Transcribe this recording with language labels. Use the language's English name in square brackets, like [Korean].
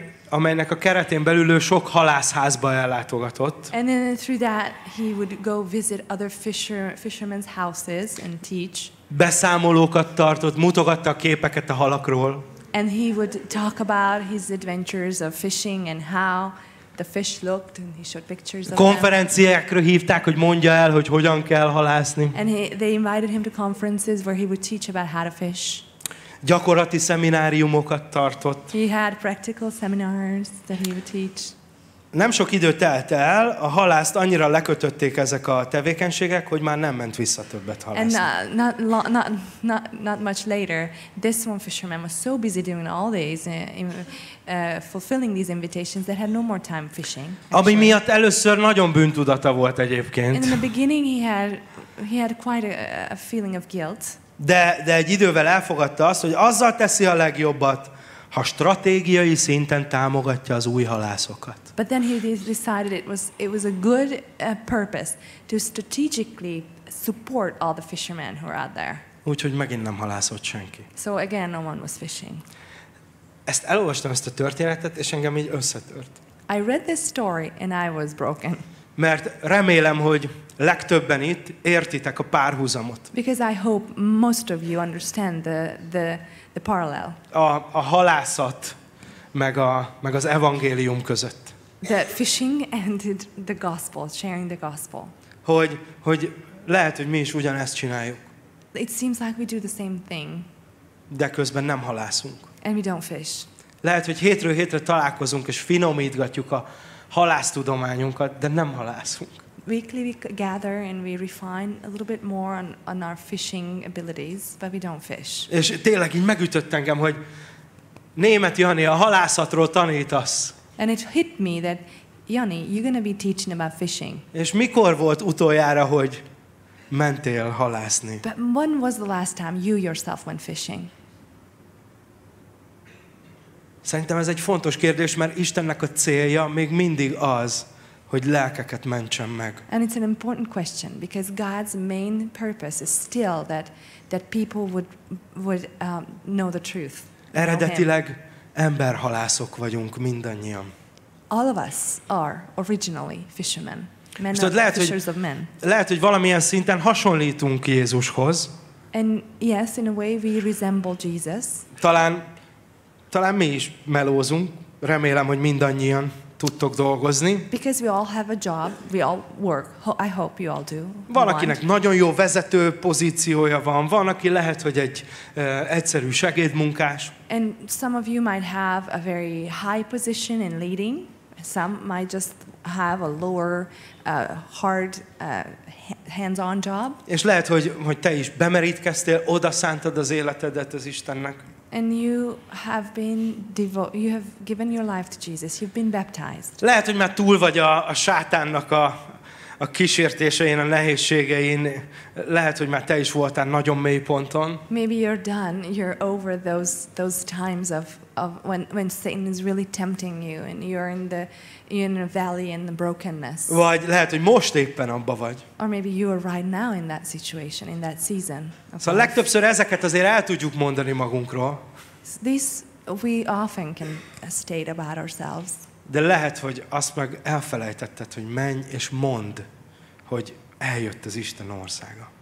[Hungarian] Amelynek a keretén belül ő sok halászházba ellátogatott. [English] And then through that he would go visit other fishermen's houses and teach. [Hungarian] Beszámolókat tartott, mutogatta a képeket a halakról. [English] And he would talk about his adventures of fishing and how the fish looked and he showed pictures of it. [Hungarian] Konferenciákra hívták, hogy mondja el, hogy hogyan kell halászni. [English] And they invited him to conferences where he would teach about how to fish. [Hungarian] Gyakorlati szemináriumokat tartott. [English] He had practical seminars that he would teach. [Hungarian] Nem sok idő telt el, a halászt annyira lekötötték ezek a tevékenységek, hogy már nem ment vissza többet halászni. [English] And not much later, this one fisherman was so busy doing all these, fulfilling these invitations that had no more time fishing. Actually. [Hungarian] Ami miatt először nagyon bűntudata volt egyébként. [English] And in the beginning he had quite a feeling of guilt. [Hungarian] De egy idővel elfogadta azt, hogy azzal teszi a legjobbat, ha stratégiai szinten támogatja az új halászokat. [English] But then he decided it was a good purpose to strategically support all the fishermen who are out there. [Hungarian] Úgyhogy megint nem halászott senki. [English] So again, no one was fishing. [Hungarian] Ezt elolvastam ezt a történetet, és engem így összetört. [English] I read this story and I was broken. [Hungarian] Mert remélem, hogy legtöbben itt értitek a párhuzamot. [English] Because I hope most of you understand the parallel. [Hungarian] A halászat meg az evangélium között. [English] That fishing and the gospel, sharing the gospel. [Hungarian] Hogy lehet, hogy mi is ugyanezt csináljuk. [English] It seems like we do the same thing. [Hungarian] De közben nem halászunk. [English] And we don't fish. [Hungarian] Lehet, hogy hétről hétre találkozunk és finomítgatjuk a halásztudományunkat, de nem halászunk. [English] Weekly we gather and we refine a little bit more on our fishing abilities, but we don't fish. [Hungarian] És tényleg így megütött engem, hogy Német Jani, a halászatról tanítasz. [English] And it hit me that Jani, you're going to be teaching about fishing. [Hungarian] És mikor volt utoljára, hogy mentél halászni? [English] But when was the last time you yourself went fishing? [Hungarian] Szerintem ez egy fontos kérdés, mert Istennek a célja még mindig az, hogy lelkeket mentsen meg. [English] And it's an important question because God's main purpose is still that people would know the truth. [Hungarian] Eredetileg emberhalászok vagyunk mindannyian. [English] All of us are originally fishermen. Men are [Hungarian] lehet, [English] fishers of men. [Hungarian] Lehet, hogy valamilyen szinten hasonlítunk Jézushoz. [English] And yes, in a way we resemble Jesus. [Hungarian] Talán mi is melózunk. Remélem, hogy mindannyian. tudtok dolgozni. [English] Because we all have a job, we all work. I hope you all do. [Hungarian] Valakinek nagyon jó vezető pozíciója van, van aki lehet, hogy egy egyszerű segédmunkás. [English] And some of you might have a very high position in leading. Some might just have a lower hard hands-on job. [Hungarian] És lehet, hogy te is bemerítkeztél, odaszántad az életedet az Istennek. [English] And you have been you have given your life to Jesus. You've been baptized. [Hungarian] Lehet, hogy már túl vagy a sátánnak a kísértésein, a nehézségein. Lehet, hogy már te is voltál nagyon mély ponton. [English] Maybe you're done. You're over those times of when Satan is really tempting you and you're in a valley in the brokenness. [Hungarian] Vagy lehet, hogy most éppen abba vagy. [English] Or maybe you are right now in that situation, in that season. [Hungarian] Szóval legtöbbször ezeket azért el tudjuk mondani magunkról. [English] This we often can state about ourselves. [Hungarian] De lehet, hogy azt meg elfelejtetted, hogy menj és mondd, hogy eljött az Isten országa.